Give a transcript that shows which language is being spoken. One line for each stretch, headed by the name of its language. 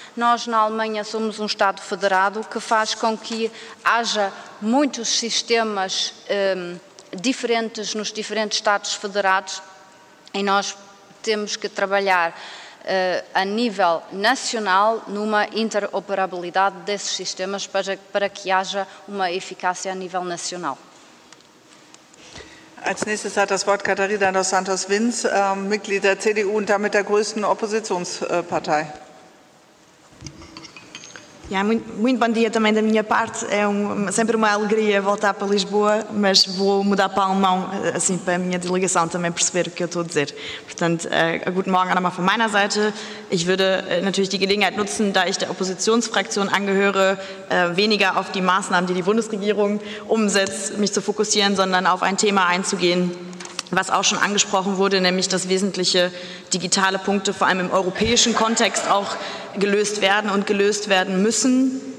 Portuguese: Nós, na Alemanha, somos um Estado federado, que faz com que haja muitos sistemas diferentes nos diferentes Estados federados, e nós temos que trabalhar a nível nacional numa interoperabilidade desses sistemas para que haja uma eficácia a nível nacional.
German: Als nächstes hat das Wort Katharina dos Santos Vins, Mitglied der CDU und damit der größten Oppositionspartei.
Portuguese: Ja, muito bom dia também da minha parte. É sempre uma alegria voltar para Lisboa, mas vou mudar para alemão, assim, para a minha delegação também perceber o que eu estou a dizer.
German: Portanto, guten Morgen auch nochmal von meiner Seite. Ich würde natürlich die Gelegenheit nutzen, da ich der Oppositionsfraktion angehöre, weniger auf die Maßnahmen, die die Bundesregierung umsetzt, mich zu fokussieren, sondern auf ein Thema einzugehen, was auch schon angesprochen wurde, nämlich dass wesentliche digitale Punkte vor allem im europäischen Kontext auch gelöst werden und gelöst werden müssen.